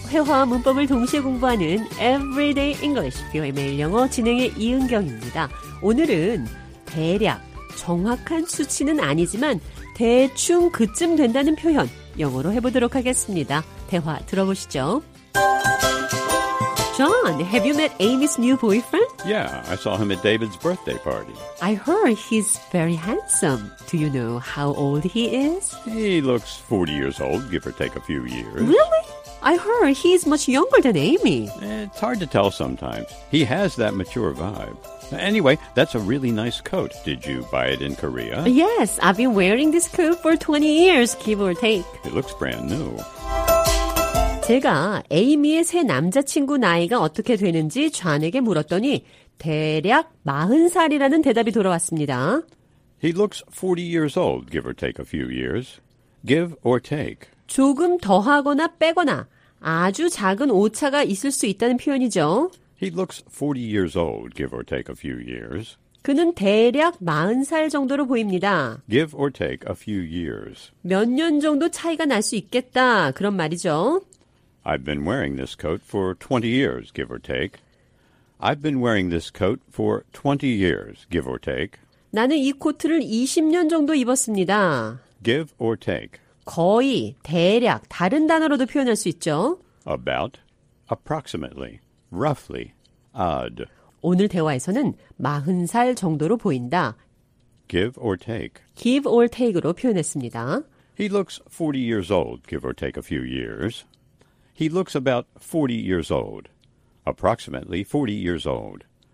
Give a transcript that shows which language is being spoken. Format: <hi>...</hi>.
<ko>회화와 문법을 동시에 공부하는 Everyday English, VOA 매일 영어 진행의 이은경입니다. 오늘은 대략, 정확한 수치는 아니지만 대충 그쯤 된다는 표현 영어로 해보도록 하겠습니다. 대화 들어보시죠.</ko> <en>John, have you met Amy's new boyfriend? Yeah, I saw him at David's birthday party. I heard he's very handsome. Do you know how old he is? He looks 40 years old, give or take a few years. Really? I heard he's much younger than Amy. It's hard to tell sometimes. He has that mature vibe. Anyway, that's a really nice coat. Did you buy it in Korea? Yes, I've been wearing this coat for 20 years, give or take. It looks brand new.</en> <ko>제가 에이미의 새 남자친구 나이가 어떻게 되는지 존에게 물었더니 대략 40살이라는 대답이 돌아왔습니다.</ko> <en>He looks 40 years old, give or take a few years. Give or take.</en> <ko>조금 더하거나 빼거나 아주 작은 오차가 있을 수 있다는 표현이죠.</ko> <en>He looks 40 years old, give or take a few years.</en> <ko>그는 대략 40살 정도로 보입니다.</ko> <en>Give or take a few years.</en> <ko>몇 년 정도 차이가 날 수 있겠다, 그런 말이죠.</ko> <en>I've been wearing this coat for 20 years, give or take. I've been wearing this coat for 20 years, give or take.</en> <ko>나는 이 코트를 20년 정도 입었습니다.</ko> <en>Give or take.</en> <ko>거의, 대략, 다른 단어로도 표현할 수 있죠.</ko> <en>About, approximately, roughly, odd.</en> <ko>오늘 대화에서는 40살 정도로 보인다.</ko> <en>Give or take. Give or take</en> <ko>으로 표현했습니다.</ko> <en>He looks 40 years old, give or take a few years. He looks about 40 years old. Approximately 40 years old.</en>